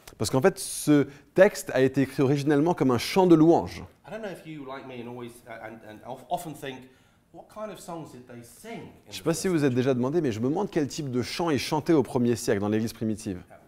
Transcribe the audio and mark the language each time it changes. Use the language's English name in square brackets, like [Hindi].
[French] Parce qu'en fait, ce texte a été écrit originellement comme un chant de louange. [English] I don't know if you like me and always and often think what kind of songs did they sing. [French] Je ne sais pas si vous êtes déjà demandé, mais je me demande quel type de chant ils chantaient au 1er siècle dans l'Église primitive.